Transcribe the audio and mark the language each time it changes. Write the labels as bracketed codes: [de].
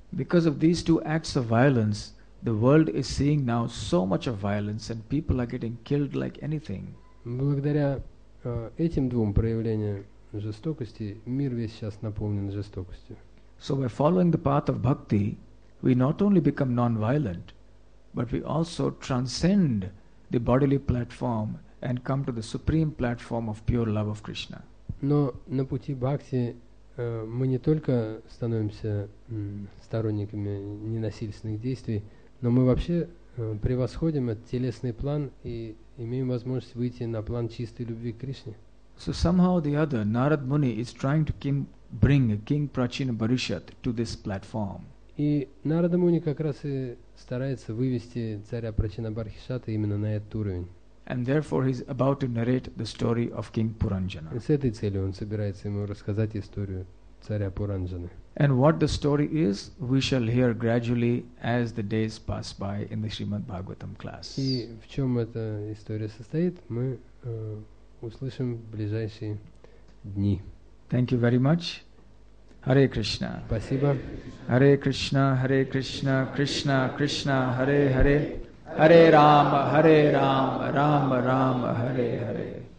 [en] Because of these two acts of violence, the world is seeing now so much of violence and people are getting killed like anything. [ru] Благодаря этим двум проявлениям жестокости, мир весь сейчас наполнен жестокостью. [en] So by following the path of bhakti, we not only become non-violent, but we also transcend the bodily platform and come to the supreme platform of pure love of Krishna. [ru] Но на пути бхакти мы не только становимся сторонниками ненасильственных действий, но мы вообще превосходим этот телесный план и имеем возможность выйти на план чистой любви к Кришне. [en] So somehow or the other, Narad Muni is trying to bring King Prachina Parishad to this platform. [ru] И Нарада Муни как раз и старается вывести царя Прачинабархишата именно на этот уровень. [en] And therefore he's about to narrate the story of King Puranjana. [ru] С этой целью он собирается ему рассказать историю царя Пуранджаны. [en] And what the story is, we shall hear gradually as the days pass by in the Srimad Bhagavatam class. [ru] И в чем эта история состоит, мы услышим в ближайшие дни. [en] Thank you very much. Hare Krishna. [ru] Спасибо. [sa] Hare Krishna, Hare Krishna, Krishna Krishna, Hare Hare. Hare Rama, Hare Rama, Rama Rama, Hare Hare.